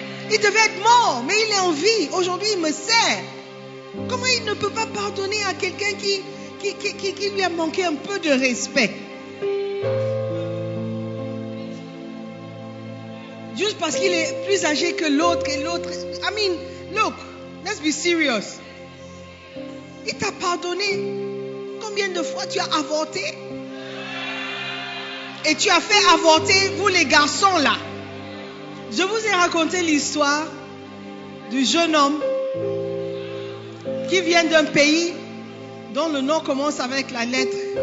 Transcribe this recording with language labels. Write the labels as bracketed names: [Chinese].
[French] Il devait être mort, mais il est en vie. Aujourd'hui, il me sert. Comment il ne peut pas pardonner à quelqu'un qui lui a manqué un peu de respect? Juste parce qu'il est plus âgé que l'autre et l'autre. [English] I mean, look, let's be serious. [French] Il t'a pardonné. Combien de fois tu as avorté? Et tu as fait avorter, vous les garçons là. Je vous ai raconté l'histoire du jeune homme qui vient d'un pays dont le nom commence avec la lettre.